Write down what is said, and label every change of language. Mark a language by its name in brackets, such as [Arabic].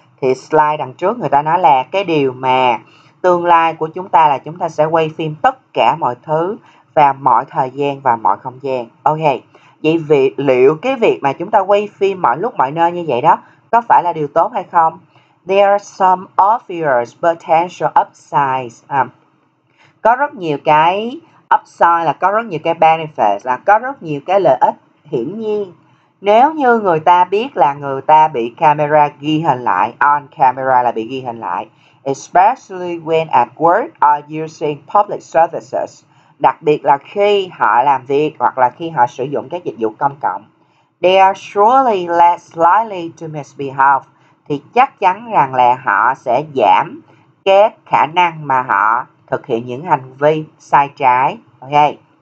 [Vietnamese] Thì slide đằng trước người ta nói là cái điều mà tương lai của chúng ta là chúng ta sẽ quay phim tất cả mọi thứ và mọi thời gian và mọi không gian. Ok. Vậy liệu cái việc mà chúng ta quay phim mọi lúc mọi nơi như vậy đó có phải là điều tốt hay không? [English] There are some obvious potential upsides. [Vietnamese] Có rất nhiều cái upside, là có rất nhiều cái benefits, là có rất nhiều cái lợi ích hiển nhiên Nếu như người ta biết là người ta bị camera ghi hình lại, [English] on camera [Vietnamese] là bị ghi hình lại, [English] especially when at work or using public services, [Vietnamese] đặc biệt là khi họ làm việc hoặc là khi họ sử dụng các dịch vụ công cộng, [English] they are surely less likely to misbehave, [Vietnamese] thì chắc chắn rằng là họ sẽ giảm cái khả năng mà họ thực hiện những hành vi sai trái. Okay.